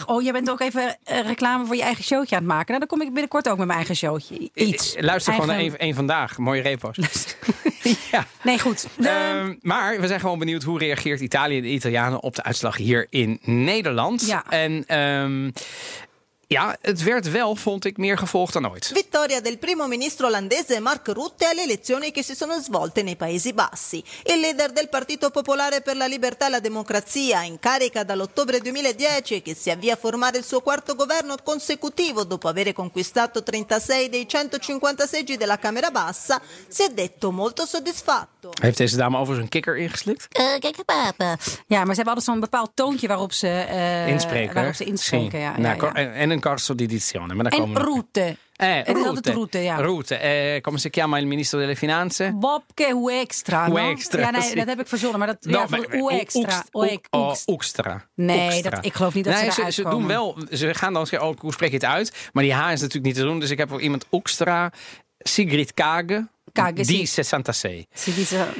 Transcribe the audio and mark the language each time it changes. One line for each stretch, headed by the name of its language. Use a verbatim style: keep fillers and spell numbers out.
Dutch: Oh, jij bent ook even uh, reclame voor je eigen showtje aan het maken. Nou, dan kom ik binnenkort ook met mijn eigen showtje. Iets. Luister eigen... gewoon naar één, één vandaag. Mooie repo's. ja. Nee, goed. De... Uh, maar we zijn gewoon benieuwd. Hoe reageert Italië en de Italianen op de uitslag hier in Nederland? Ja. En um, Ja, het werd wel, vond ik, meer gevolgd dan ooit.
Italian: Vittoria del primo ministro olandese Mark Rutte alle elezioni che si sono svolte nei Paesi Bassi. Il leader del Partito Popolare per la Libertà e la Democrazia, in carica dall'ottobre duemiladieci, che si avvia a formare il suo quarto governo consecutivo dopo avere conquistato trentasei dei honderdvijfencinquanta seggi della Camera Bassa, si è detto molto soddisfatto.
Dutch: Heeft deze dame overigens een kikker ingeslikt? Kijk, papa. Ja, maar ze hebben altijd zo'n bepaald toontje waarop ze uh, inspreken. Waarop ze inspreken, ja, ja, ja.
Italian: En een carso di dizione.
Dutch: Maar daar en komen Rutte. Eh, Rutte. Rutte, Rutte, ja. Rutte.
Italian: Eh, come si chiama il ministro delle Finanze?
Dutch: Bobke Hoekstra. No? Hoekstra. Ja, nee, dat heb ik verzonnen, maar dat no, ja, maar, Hoekstra. Hoekstra. Nee, dat, ik geloof niet dat nee, ze eruit ze, ze doen wel. Ze gaan dan zeggen, oh, hoe spreek je het uit? Maar die H is natuurlijk niet te doen, dus ik heb wel iemand Hoekstra, Sigrid Kaag, die zesenzestig.